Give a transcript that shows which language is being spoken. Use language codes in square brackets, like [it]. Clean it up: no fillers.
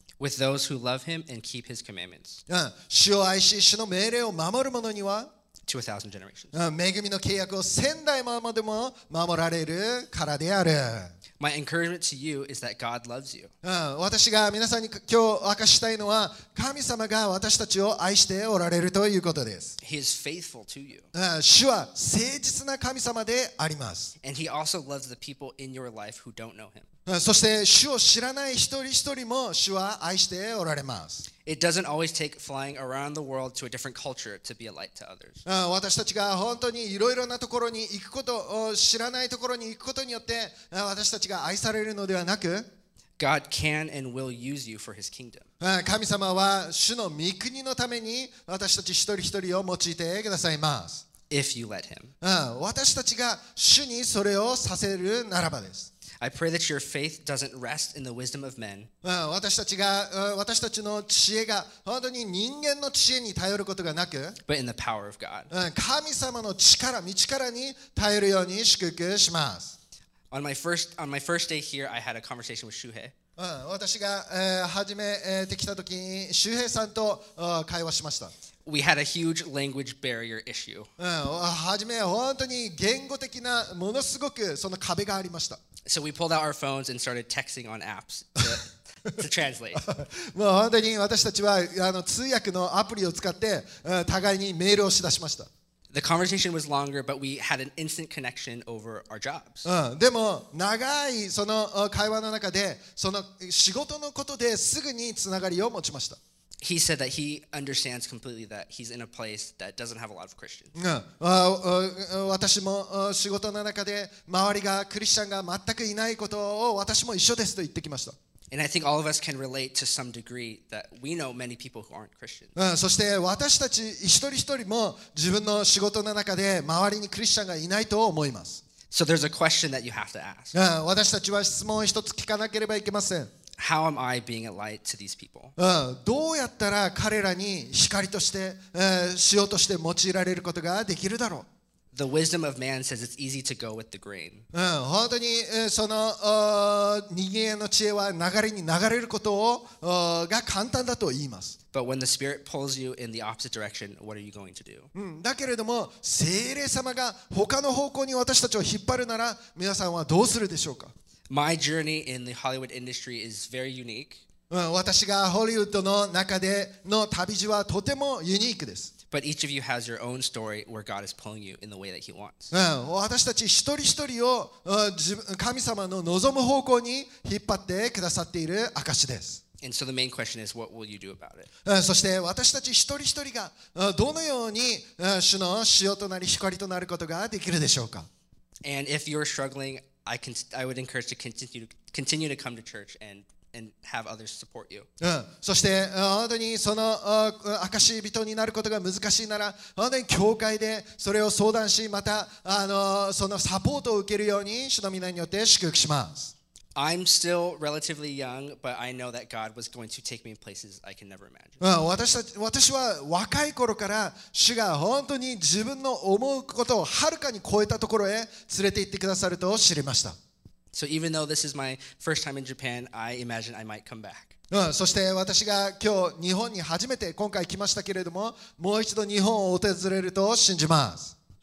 [en] With those who love him and keep his commandments. [ja] 主を愛し、主の命令を守る者には [en] To a thousand generations. [ja] 恵みの契約を千代までも守られるからである。 [en] My encouragement to you is that God loves you. [ja] 私が皆さんに今日明かしたいのは、神様が私たちを愛しておられるということです。 [en] He is faithful to you. [ja] 主は誠実な神様であります。 [en] And he also loves the people in your life who don't know him. [ja] そして主を知らない一人一人も主は愛しておられます。 [en] It doesn't always take flying around the world to a different culture to be a light to others. [ja] 私たちが本当にいろいろなところに行くこと、知らないところに行くことによって、私たちが愛されるのではなく、 [en] God can and will use you for his kingdom. [ja] 神様は主の御国のために私たち一人一人を用いてくださいます。 [en] If you let him. [ja] 私たちが主にそれをさせるならばです。 [en] I pray that your faith doesn't rest in the wisdom of men. [ja] 私たちの知恵が本当に人間の知恵に頼ることがなく [en] But in the power of God. [ja] 神様の力、御力に頼るように祝福します。 [en] On my first day here, I had a conversation with Shuhei. [ja] 私が初めて来た時に周平さんと会話しました。 [en] We had a huge language barrier issue. [ja] はじめ本当に言語的なものすごくその壁がありました。 [en] So we pulled out our phones and started texting on apps to translate. [ja] もう本当に私たちは通訳のアプリを使って互いにメールをしだしました。 [en] The conversation was longer, but we had an instant connection over our jobs. [ja] でも長いその会話の中でその仕事のことですぐにつながりを持ちました。 [en] He said that he understands completely that he's in a place that doesn't have a lot of Christians. [ja] 私も仕事の中で周りがクリスチャンが全くいないことを私も一緒ですと言ってきました。 [en] And I think all of us can relate to some degree that we know many people who aren't Christians. [ja] そして私たち一人一人も自分の仕事の中で周りにクリスチャンがいないと思います。 [en] So there's a question that you have to ask. [ja] 私たちは質問を一つ聞かなければいけません。 [en] How am I being a light to these people? [ja] どうやったら彼らに光として、しようとして用いられることができるだろう? [en] The wisdom of man says it's easy to go with the grain. [ja] 本当に、その、人間の知恵は流れに流れることを、が簡単だと言います。 [en] But when the Spirit pulls you in the opposite direction, what are you going to do? [ja] だけれども、聖霊様が他の方向に私たちを引っ張るなら、皆さんはどうするでしょうか? [en] My journey in the Hollywood industry is very unique. [ja] 私がホリウッドの中での旅路はとてもユニークです。 [en] But each of you has your own story where God is pulling you in the way that He wants. [ja] 私たち一人一人を神様の望む方向に引っ張ってくださっている証です。 [en] And so the main question is, what will you do about it? [ja] そして私たち一人一人がどのように主の塩となり光となることができるでしょうか? [en] And if you're struggling,I would encourage you to continue to come to church and have others support you. [ja] そして本当にその証し人になることが難しいなら、本当に教会でそれを相談し、またそのサポートを受けるように主の皆によって祝福します。 [en] I'm still relatively young, but I know that God was going to take me in places I can never imagine. [ja] 私は若い頃から主が本当に自分の思うことをはるかに超えたところへ連れて行ってくださると知りました。 [en] So even though this is my first time in Japan, I imagine I might come back. [ja] そして私が今日日本に初めて今回来ましたけれども、もう一度日本を訪れると信じます。